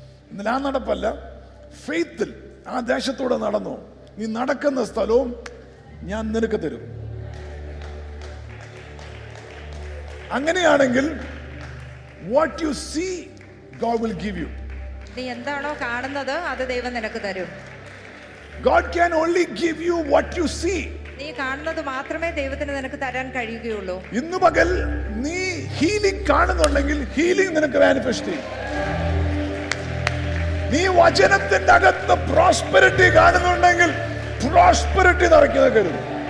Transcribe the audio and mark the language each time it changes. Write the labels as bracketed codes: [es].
[ml] ഇന്നലെ ആ നടപ്പല്ല, ഫെയ്ത്തിൽ ആ ദേശത്തൂടെ നടന്നു. നീ നടക്കുന്ന സ്ഥലവും ഞാൻ നിനക്ക് തരും. അങ്ങനെയാണെങ്കിൽ [en] what you see God will give you. [ml] നീ എന്താണോ കാണുന്നത് അത് ദൈവം നിനക്ക് തരും. [en] God can only give you what you see. [ml] നീ കാണുന്നത് മാത്രമേ ദൈവത്തിന് നിനക്ക് തരാൻ കഴിയുകയുള്ളൂ. ഇന്ന് പകൽ നീ ഹീലിംഗ് കാണുന്നുണ്ടെങ്കിൽ ഹീലിംഗ് നിനക്ക് മാനിഫെസ്റ്റ് ചെയ്യും. നീ വചനത്തിന്റെ അകത്ത് പ്രോസ്പെരിറ്റി കാണുന്നുണ്ടെങ്കിൽ പ്രോസ്പെരിറ്റി നിറയ്ക്കുക കരുത്.